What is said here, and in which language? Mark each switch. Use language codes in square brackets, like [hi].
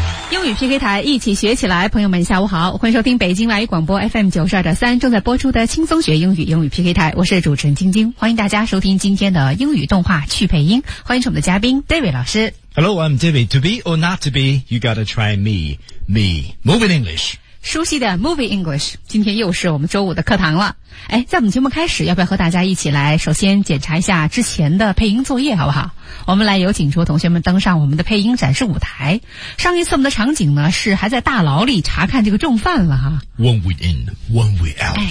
[zh] 英语 PK 台一起学起来，朋友们下午好，欢迎收听北京外语广播 FM92.3 正在播出的轻松学英语，英语 PK 台，我是主持人晶晶，欢迎大家收听今天的英语动画去配音，欢迎我们的嘉宾 David 老师。 [en] Hello, I'm David. To be or not to be, you gotta try me. Me. Moving English. [zh] 熟悉的 Moving English, 今天又是我们周五的课堂了。哎，在我们节目开始，要不要和大家一起来首先检查一下之前的配音作业，好不好？我们来有请出同学们登上我们的配音展示舞台。上一次我们的场景呢是还在大牢里查看这个重犯了哈。 [en] One way in, one way out。